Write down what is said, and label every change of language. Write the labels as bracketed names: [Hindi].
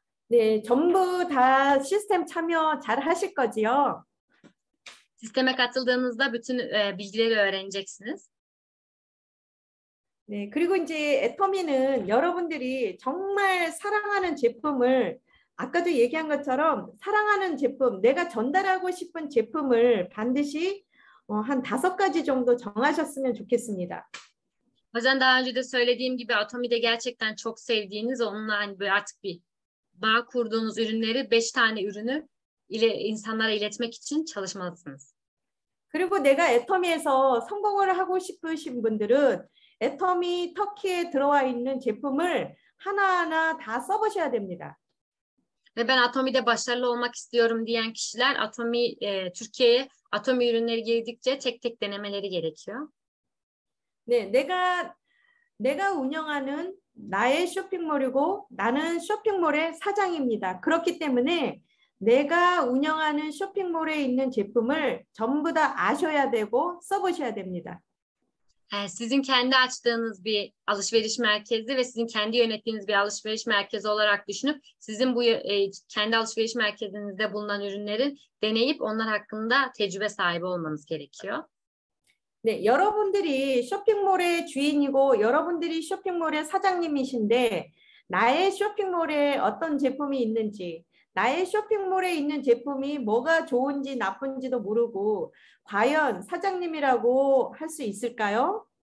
[Korean] 네, 전부 다 시스템 참여 잘 하실 거지요? [Turkish] Sisteme katıldığınızda bütün bilgileri öğreneceksiniz. [Korean] 네, 그리고 이제 애터미는 여러분들이 정말 사랑하는 제품을 아까도 얘기한 것처럼 사랑하는 제품, 내가 전달하고 싶은 제품을 반드시 한 5가지 정도 정하셨으면 좋겠습니다. 뭐전 다 [Turkish] önce de söylediğim gibi Atomi'de gerçekten çok sevdiğiniz onunla hani böyle artık bir bağ kurduğunuz ürünleri 5 tane ürünü insanlara iletmek için çalışmalısınız. [Korean] 그리고 내가 애터미에서 성공을 하고 싶으신 분들은 애터미 터키에 들어와 있는 제품을 하나하나 다 써보셔야 됩니다. [Turkish] Ve ben Atomi'de başarılı olmak istiyorum diyen kişiler Türkiye'ye Atomi ürünleri girdikçe tek tek denemeleri gerekiyor. [Korean] 네, 내가 운영하는 나의 쇼핑몰이고 나는 쇼핑몰의 사장입니다. 그렇기 때문에 내가 운영하는 쇼핑몰에 있는 제품을 전부 다 아셔야 되고 써보셔야 됩니다. [Turkish] Sizin kendi açtığınız bir alışveriş merkezi ve sizin kendi yönettiğiniz bir alışveriş merkezi olarak düşünüp sizin bu kendi alışveriş merkezinizde bulunan ürünleri deneyip onlar hakkında tecrübe sahibi olmanız gerekiyor. [Korean] 네, 여러분들이 쇼핑몰의 주인이고 여러분들이 쇼핑몰의 사장님이신데 나의 쇼핑몰에 어떤 제품이 있는지, 나의 쇼핑몰에 있는 제품이 뭐가 좋은지 나쁜지도 모르고 과연 사장님이라고 할수 있을까요?